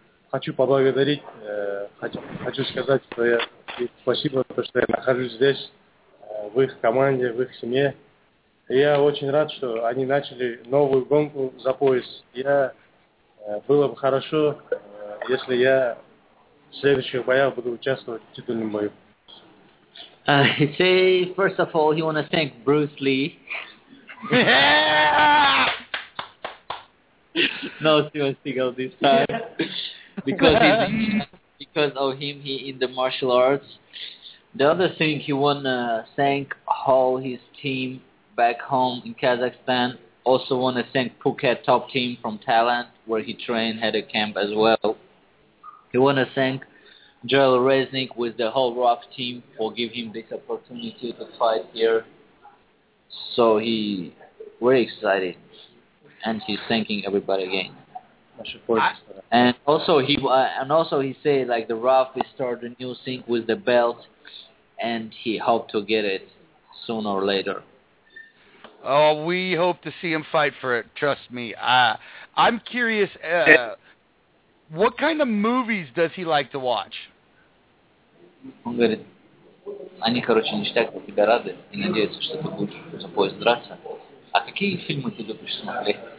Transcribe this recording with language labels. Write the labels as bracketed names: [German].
[Russian] хочу поблагодарить, хочу сказать, что я спасибо, что я нахожусь здесь, в их команде, в их семье. Я очень рад, что они начали новую гонку за пояс. Было бы хорошо, если я в следующих боях буду участвовать в титульном бою. [English] Say, first of all, you want to thank Bruce Lee. No, Steven Seagal this time. Because because of him, he in the martial arts. The other thing, he want to thank all his team back home in Kazakhstan. Also want to thank Phuket top team from Thailand, where he trained, had a camp as well. He want to thank Joel Resnick with the whole RAF team for giving him this opportunity to fight here. So he very excited. And he's thanking everybody again. And also he said, like, the RAF is starting a new thing with the belt, and he hoped to get it sooner or later. Oh, we hope to see him fight for it. Trust me. I'm curious, what kind of movies does he like to watch? [Russian] Он говорит, они, короче, ништяк, мы тебя рады и надеются, что ты будешь за поезд драться. А какие фильмы ты любишь смотреть?